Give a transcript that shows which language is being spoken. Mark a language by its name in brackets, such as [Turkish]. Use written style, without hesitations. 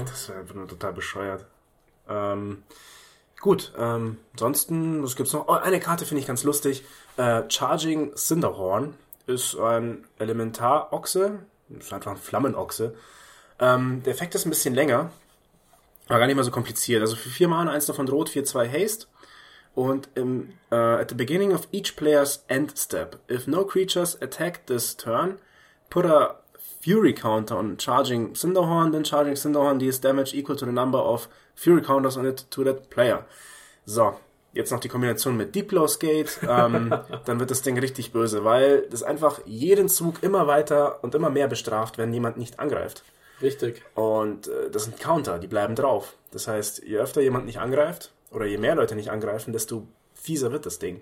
[German] Das wäre einfach nur total bescheuert. Gut, ansonsten, was gibt's noch? Oh, eine Karte finde ich ganz lustig. Charging Cinderhorn ist ein Elementar-Ochse. Ist einfach ein Flammenochse. Der Effekt ist ein bisschen länger, aber gar nicht mehr so kompliziert. Also für 4 Mana, eins davon rot, 4-2 Haste. Und [English] at the beginning of each player's end step, if no creatures attack this turn, put a Fury Counter on Charging Cinderhorn, then Charging Cinderhorn deals damage equal to the number of Fury Counters on it to that player. [German] So, jetzt noch die Kombination mit Deep Glow Skate, dann wird das Ding richtig böse, weil das einfach jeden Zug immer weiter und immer mehr bestraft, wenn jemand nicht angreift. Richtig. Und das sind Counter, die bleiben drauf. Das heißt, je öfter jemand nicht angreift oder je mehr Leute nicht angreifen, desto fieser wird das Ding.